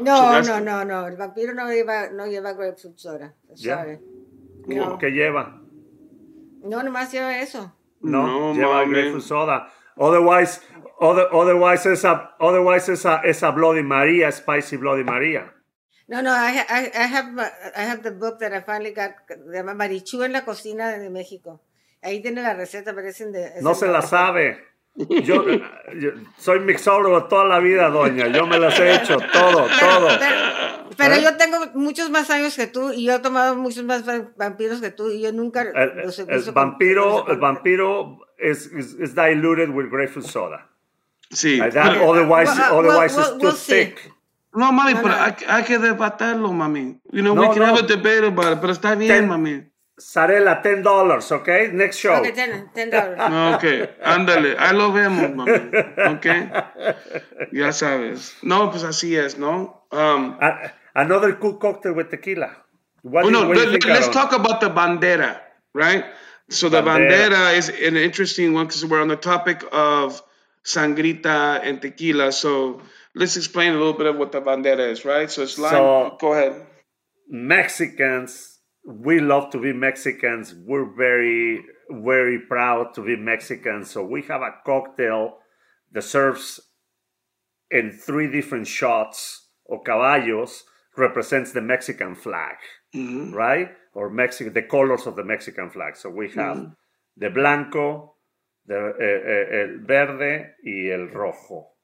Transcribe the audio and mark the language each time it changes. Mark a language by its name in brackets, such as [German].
[Spanish] No. El vampiro no lleva grapefruit soda. Sorry. Yeah. No. ¿Qué lleva? No, nomás lleva eso. No, lleva [English] grapefruit soda. Otherwise, it's a Bloody Maria, spicy Bloody Maria. No, I have the book that I finally got. [Spanish] Se llama Marichu en la cocina de México. Ahí tiene la receta, pero es en de. No se la sabe. Yo soy mixólogo toda la vida, doña. Yo me las he hecho todo. Pero yo tengo muchos más años que tú y yo he tomado muchos más vampiros que tú y yo nunca... El vampiro es [English] diluted with grapefruit soda. [Spanish] Sí. [English] Otherwise, it's too thick. [Spanish] No, mami, no, pero hay que debatarlo, mami. [English] You know, we can have a debate about it, [Spanish] pero está bien, mami. [English] Sarela, $10, okay? Next show. Okay, $10. [Spanish] Okay, ándale. Ahí lo vemos, mami. Okay? Ya sabes. No, pues así es, ¿no? [English] Another cool cocktail with tequila. Let's talk about the bandera, right? So the bandera is an interesting one because we're on the topic of sangrita and tequila. So let's explain a little bit of what the bandera is, right? So it's lime. So, go ahead. Mexicans, we love to be Mexicans. We're very, very proud to be Mexicans. So we have a cocktail that serves in three different shots. [Spanish] O caballos [English] represents the Mexican flag, mm-hmm. right? Or Mexico, the colors of the Mexican flag. So we have mm-hmm. [Spanish] the blanco, the el verde y el rojo.